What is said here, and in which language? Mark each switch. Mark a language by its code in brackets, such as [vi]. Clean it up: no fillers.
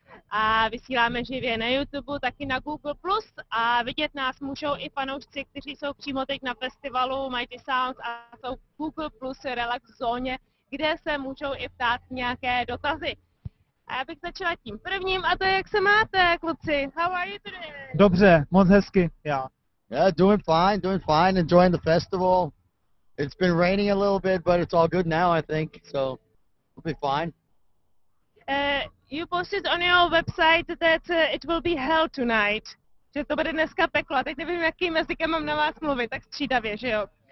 [cs] A vysíláme živě na YouTube, taky na Google+. A vidět nás můžou i fanoušci, kteří jsou přímo teď na festivalu Mighty Sound a jsou v Google+ Relax zóně, kde se můžou i ptát nějaké dotazy. A já bych začala tím prvním, a to je, jak se máte, kluci? [en] How are you today? [cs] Dobře, moc hezky, já. [en] Yeah, doing fine, enjoying the festival. It's been raining a little bit, but it's all good now, I think, so we'll be fine. You posted on your website that it will be hell tonight. [cs] Že to bude dneska peklo, a teď nevím, jakým jazykem mám na vás mluvit, tak střídavě, že jo?